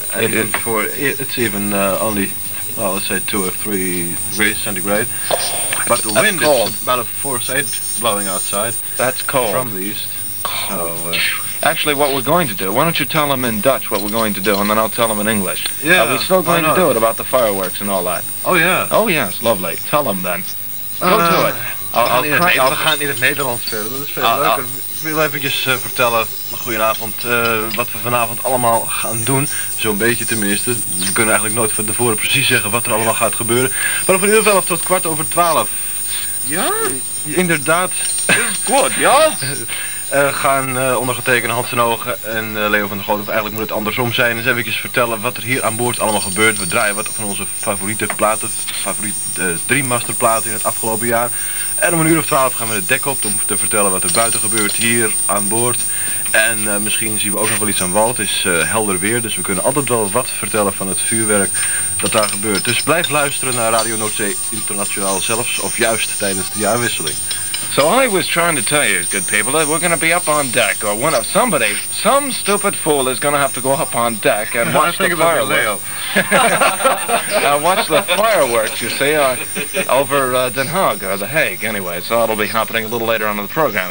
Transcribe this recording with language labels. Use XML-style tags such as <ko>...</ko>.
<en>It's even only, well, let's say 2 or 3 degrees centigrade. But the wind is about a force 8 blowing outside. That's cold. From the east. Cold. So, actually, what we're going to do, why don't you tell them in Dutch what we're going to do, and then I'll tell them in English. Yeah. Are we still going to do it about the fireworks and all that? Oh, yeah. Oh, yes. Lovely. Tell them then. Go to it.</en> <nl>We gaan in het Nederlands verder. Dat is veel leuker. Ik wil eventjes vertellen, goedenavond, wat we vanavond allemaal gaan doen. Zo'n beetje tenminste. We kunnen eigenlijk nooit van tevoren precies zeggen wat er allemaal gaat gebeuren. Maar van uur 11 tot 11:15. Ja? Inderdaad. Goed, ja? Gaan ondergetekende Hans den Hogen en Leo van der Groot, of eigenlijk moet het andersom zijn, eens eventjes vertellen wat er hier aan boord allemaal gebeurt. We draaien wat van onze favoriete platen, favoriete Dreammaster-platen in het afgelopen jaar. En om 11:50 gaan we de dek op om te vertellen wat er buiten gebeurt hier aan boord. En misschien zien we ook nog wel iets aan wal. Het is helder weer, dus we kunnen altijd wel wat vertellen van het vuurwerk dat daar gebeurt. Dus blijf luisteren naar Radio Noordzee Internationaal zelfs, of juist tijdens de jaarwisseling.</nl> <en>So I was trying to tell you, good people, that we're going to be up on deck, or one of somebody, some stupid fool is going to have to go up on deck and watch the fireworks. Now watch the fireworks, you see, over Den Haag, or The Hague, anyway, so that'll be happening a little later on in the program.</en>